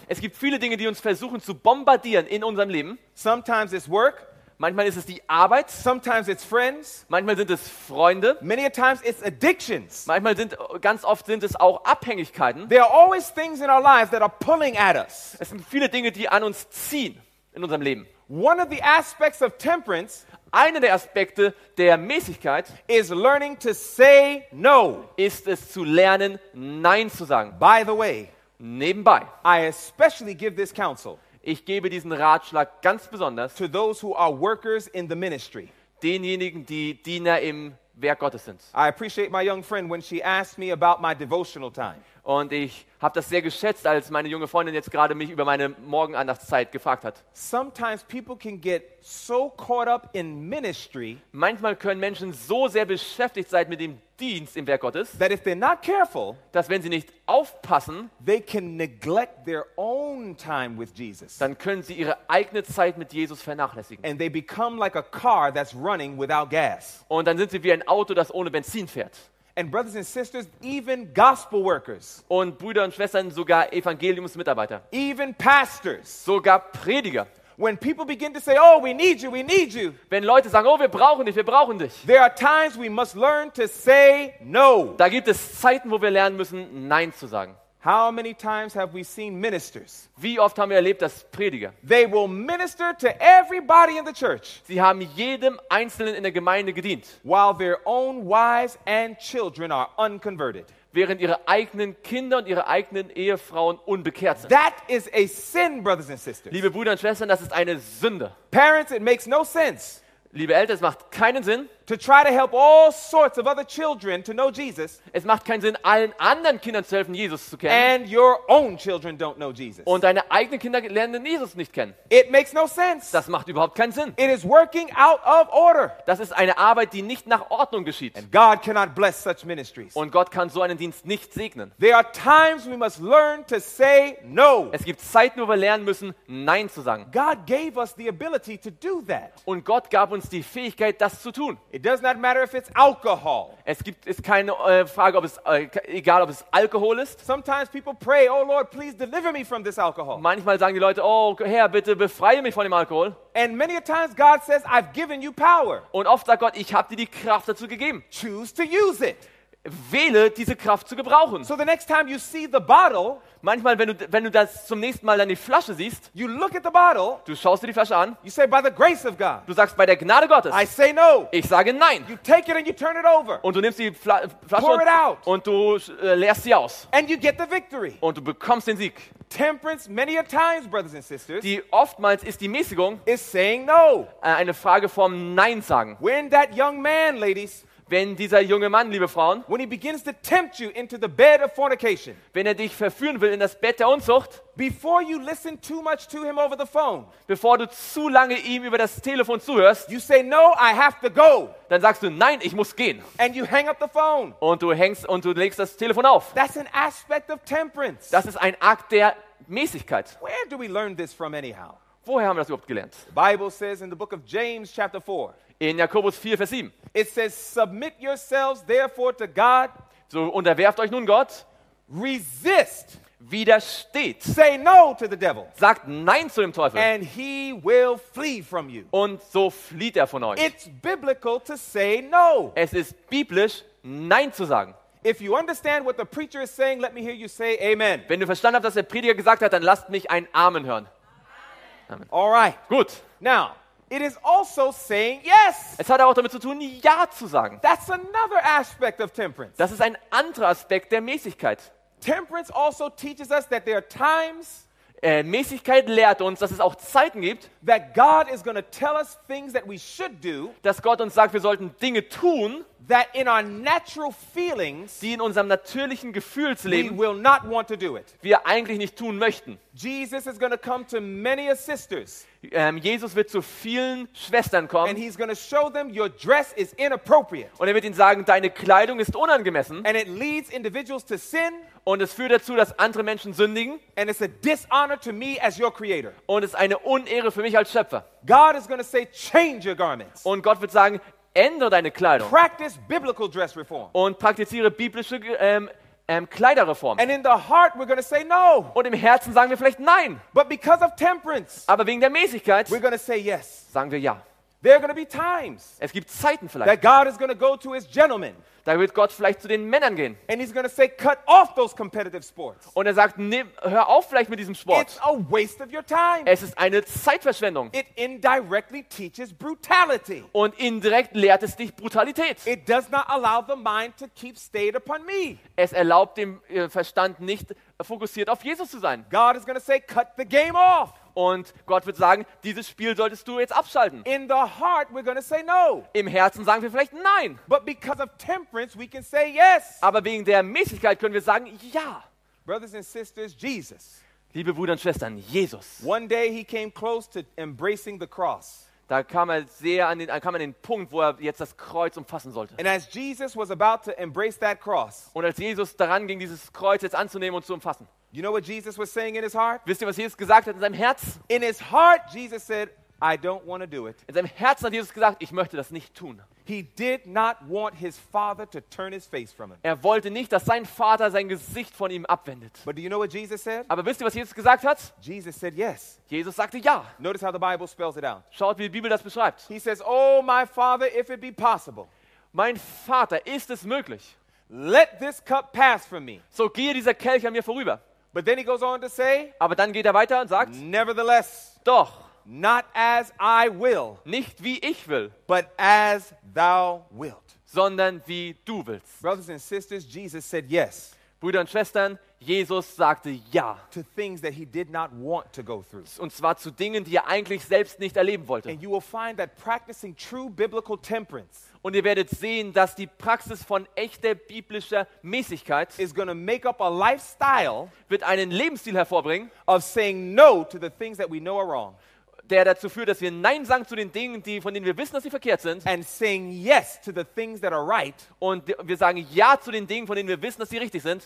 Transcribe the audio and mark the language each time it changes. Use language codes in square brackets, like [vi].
[de] Es gibt viele Dinge, die uns versuchen zu bombardieren in unserem Leben. [en] Sometimes it's work. [de] Manchmal ist es die Arbeit. [en] Sometimes it's friends. [de] Manchmal sind es Freunde. [en] Many times it's addictions. [de] Manchmal sind ganz oft sind es auch Abhängigkeiten. [en] There are always things in our lives that are pulling at us. [de] Es sind viele Dinge, die an uns ziehen in unserem Leben. [en] One of the aspects of temperance. [de] Einer der Aspekte der Mäßigkeit [en] is learning to say no. [de] Ist es zu lernen, Nein zu sagen. [en] By the way, [de] nebenbei, [en] I especially give this counsel. [de] Ich gebe diesen Ratschlag ganz besonders [en] to those who are workers in the ministry. [de] Denjenigen, die Diener im Werk Gottes sind. [en] I appreciate my young friend when she asked me about my devotional time. [de] Und ich habe das sehr geschätzt, als meine junge Freundin jetzt gerade mich über meine Morgenandachtszeit gefragt hat. [en] Sometimes people can get so caught up in ministry. [de] Manchmal können Menschen so sehr beschäftigt sein mit dem Dienst im Werk Gottes, [en] that if they're not careful, [de] dass wenn sie nicht aufpassen, [en] they can neglect their own time with Jesus. [de] Dann können sie ihre eigene Zeit mit Jesus vernachlässigen. [en] And they become like a car that's running without gas. [de] Und dann sind sie wie ein Auto, das ohne Benzin fährt. [en] And brothers and sisters, even gospel workers. [de] Und Brüder und Schwestern, sogar Evangeliumsmitarbeiter. [en] Even pastors. [de] Sogar Prediger. [en] When people begin to say, "Oh, we need you, we need you." [de] Wenn Leute sagen, "Oh, wir brauchen dich, wir brauchen dich." [en] There are times we must learn to say no. [de] Da gibt es Zeiten, wo wir lernen müssen, Nein zu sagen. [en] How many times have we seen ministers? [de] Wie oft haben wir erlebt, dass Prediger? [en] They will minister to everybody in the church. [de] Sie haben jedem Einzelnen in der Gemeinde gedient. [en] While their own wives and children are unconverted. [de] Während ihre eigenen Kinder und ihre eigenen Ehefrauen unbekehrt sind. [en] That is a sin, brothers and sisters. [de] Liebe Brüder und Schwestern, das ist eine Sünde. [en] Parents, it makes no sense. [de] Liebe Eltern, es macht keinen Sinn. [en] To try to help all sorts of other children to know Jesus. [de] Es macht keinen Sinn, allen anderen Kindern zu helfen, Jesus zu kennen. [en] And your own children don't know Jesus. [de] Und deine eigenen Kinder lernen Jesus nicht kennen. [en] It makes no sense. [de] Das macht überhaupt keinen Sinn. [en] It is working out of order. [de] Das ist eine Arbeit, die nicht nach Ordnung geschieht. [en] And God cannot bless such ministries. [de] Und Gott kann so einen Dienst nicht segnen. [en] There are times we must learn to say no. [de] Es gibt Zeiten, wo wir lernen müssen, Nein zu sagen. [en] God gave us the ability to do that. [de] Und Gott gab uns die Fähigkeit, das zu tun. [en] It does not matter if it's alcohol. [de] Es gibt ist keine Frage, ob es egal, ob es Alkohol ist. [en] Sometimes people pray, "Oh Lord, please deliver me from this alcohol." [de] Manchmal sagen die Leute, "Oh Herr, bitte befreie mich von dem Alkohol." [en] And many a times God says, "I've given you power." [de] Und oft sagt Gott, ich habe dir die Kraft dazu gegeben. [en] Choose to use it. [de] Wähle diese Kraft zu gebrauchen. [en] So the next time you see the bottle, [de] manchmal wenn du das zum nächsten Mal dann die Flasche siehst, [en] you look at the bottle, [de] du schaust dir die Flasche an, [en] you say by the grace of God, [de] du sagst bei der Gnade Gottes, [en] I say no, [de] ich sage nein, [en] you take it and you turn it over, [de] und du nimmst die Flasche [en] pour it out, [de] und du leerst sie aus, [en] and you get the victory, [de] und du bekommst den Sieg. [en] Temperance many a times, brothers and sisters, [de] die oftmals ist die Mäßigung, [en] is saying no, [de] eine Frage vom Nein sagen. [en] When that young man, ladies. [de] Wenn dieser junge Mann, liebe Frauen, [en] when he begins to tempt you into the bed of fornication, [de] wenn er dich verführen will in das Bett der Unzucht, [en] before you listen too much to him over the phone, [de] bevor du zu lange ihm über das Telefon zuhörst, [en] you say no, I have to go. [de] Dann sagst du nein, ich muss gehen. [en] And you hang up the phone. [de] Und du legst das Telefon auf. [en] That's an aspect of temperance. [de] Das ist ein Akt der Mäßigkeit. [en] Where do we learn this from anyhow? [de] Woher haben wir das überhaupt gelernt? [en] The Bible says in the book of James chapter 4. [de] In Jakobus 4 Vers 7. [en] It says submit yourselves therefore to God. [de] So unterwerft euch nun Gott. [en] Resist. [de] Widersteht. [en] Say no to the devil. [de] Sagt nein zu dem Teufel. [en] And he will flee from you. [de] Und so flieht er von euch. [en] It's biblical to say no. [de] Es ist biblisch nein zu sagen. [en] If you understand what the preacher is saying, let me hear you say amen. [de] Wenn du verstanden hast, was der Prediger gesagt hat, dann lasst mich ein Amen hören. [en] Amen. All right. [de] Gut. [en] Now, it is also saying yes. [de] Es hat auch damit zu tun, ja zu sagen. [en] That's another aspect of temperance. [de] Das ist ein anderer Aspekt der Mäßigkeit. [en] Temperance also teaches us that there are times. [de] Mäßigkeit lehrt uns, dass es auch Zeiten gibt, [en] that God is going to tell us things that we should do. [de] Dass Gott uns sagt, wir sollten Dinge tun. [en] That in our natural feelings, [de] die in unserem natürlichen Gefühlsleben, [en] we will not want to do it. [de] Wir eigentlich nicht tun möchten. [en] Jesus is going to come to many sisters. [de] Jesus wird zu vielen Schwestern kommen. [en] And he's going to show them your dress is inappropriate. [de] Und er wird ihnen sagen, deine Kleidung ist unangemessen. [en] And it leads individuals to sin. [de] Und es führt dazu, dass andere Menschen sündigen. [en] And it's a dishonor to me as your creator. [de] Und es ist eine Unehre für mich als Schöpfer. [en] God is going to say, change your garments. [de] Und Gott wird sagen, ändere deine Kleidung. [en] Practice biblical dress reform. [de] Und praktiziere biblische Kleiderreform. [en] And in the heart we're going to say no. [de] Und im Herzen sagen wir vielleicht nein. [en] But because of temperance, [de] aber wegen der Mäßigkeit, [en] we're going to say yes. [de] Sagen wir ja. [en] There are going to be times, [de] es gibt Zeiten vielleicht, [en] that God is going to go to his gentlemen. [de] Da wird Gott vielleicht zu den Männern gehen. [en] And he's going to say, cut off those competitive sports. [de] Und er sagt, hör auf vielleicht mit diesem Sport. [en] It's a waste of your time. [de] Es ist eine Zeitverschwendung. [en] It indirectly teaches brutality. [de] Und indirekt lehrt es dich Brutalität. [en] It does not allow the mind to keep stayed upon me. [de] Es erlaubt dem Verstand nicht, fokussiert auf Jesus zu sein. [en] God is going to say, cut the game off. [de] Und Gott wird sagen, dieses Spiel solltest du jetzt abschalten. [en] In the heart we're gonna say no. [de] Im Herzen sagen wir vielleicht nein. [en] But because of temperance we can say yes. [de] Aber wegen der Mäßigkeit können wir sagen ja. [en] Brothers and sisters, Jesus. [de] Liebe Brüder und Schwestern, Jesus. [en] One day he came close to embracing the cross. [de] Da kam er sehr an den Punkt, wo er jetzt das Kreuz umfassen sollte. [en] And as Jesus was about to embrace that cross. [de] Und als Jesus daran ging, dieses Kreuz jetzt anzunehmen und zu umfassen. [en] You know what Jesus was saying in his heart? [de] Wisst ihr, was Jesus gesagt hat in seinem Herz? [en] In his heart, Jesus said, I don't want to do it. [de] In seinem Herzen hat Jesus gesagt, ich möchte das nicht tun. [en] He did not want his father to turn his face from him. [de] Er wollte nicht, dass sein Vater sein Gesicht von ihm abwendet. [en] But do you know what Jesus said? [de] Aber wisst ihr, was Jesus gesagt hat? [en] Jesus said yes. [de] Jesus sagte ja. [en] Notice how the Bible spells it out. [de] Schaut, wie die Bibel das beschreibt. [en] He says, oh, my father, if it be possible. [de] Mein Vater, ist es möglich? [en] Let this cup pass from me. [de] So gehe dieser Kelch an mir vorüber. [en] But then he goes on to say, [de] aber dann geht er weiter und sagt, [en] nevertheless, [de] doch, [en] not as I will, [de] nicht wie ich will, [en] but as thou wilt, [de] sondern wie du willst. [en] Brothers and sisters, Jesus said yes. [de] Brüder und Schwestern, Jesus sagte ja. [en] To things that he did not want to go through. [de] Und zwar zu Dingen, die er eigentlich selbst nicht erleben wollte. [en] And you will find that practicing true biblical temperance. [de] Und ihr werdet sehen, dass die Praxis von echter biblischer Mäßigkeit [en] is gonna make up a lifestyle, [de] wird einen Lebensstil hervorbringen, [en] of saying no to the things that we know are wrong, [de] der dazu führt, dass wir nein sagen zu den Dingen, die, von denen wir wissen, dass sie verkehrt sind, [en] and saying yes to the things that are right, [de] und wir sagen ja zu den Dingen, von denen wir wissen, dass sie richtig sind,